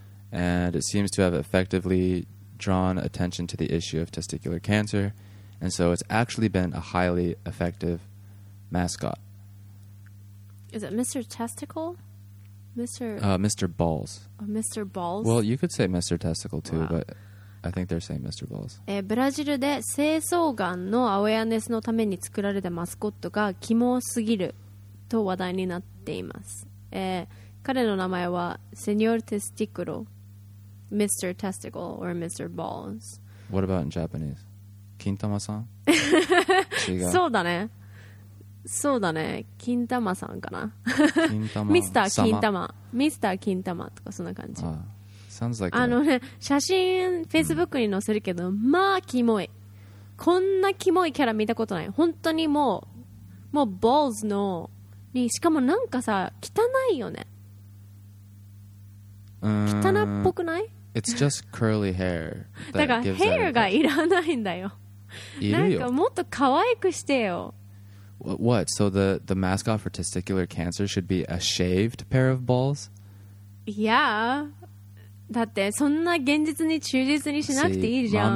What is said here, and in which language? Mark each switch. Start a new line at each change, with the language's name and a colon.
English: And it seems to have effectively drawn attention to the issue of testicular cancer. And so it's actually been a highly effective mascot. Is it Mr. Testicle? Mr. Balls. Oh, Mr. Balls? Well, you could say Mr. Testicle too, but I think they're saying Mr. Balls.
Japanese: ブラジルで精巣がんのアウェアネスのために作られたマスコットがキモすぎると話題になっています。彼の名前はセニョル・テスティクロ。
English: Mr. Testicle or Mr. Balls. What about in Japanese? Kintama-san?
Japanese: そうだね。そうだね。Kintama-san かな?
English: Kintama-sama.
Japanese: Mr. Kintama. Mr. Kintama とかそんな感じ。
English: Sounds like
Japanese: あのね、 写真 Facebook に載せるけど まあキモい。こんなキモいキャラ見たことない。本当にもう もうBallsの しかもなんかさ汚いよね。汚っぽくない?
English: It's just curly hair.
Japanese: だからヘアがいらないんだよ。いるよ。なんかもっと可愛くしてよ。
English: What? So the mascot for testicular cancer should be a shaved pair of balls? Yeah.
Japanese: だってそんな現実に忠実にしなくていいじゃん。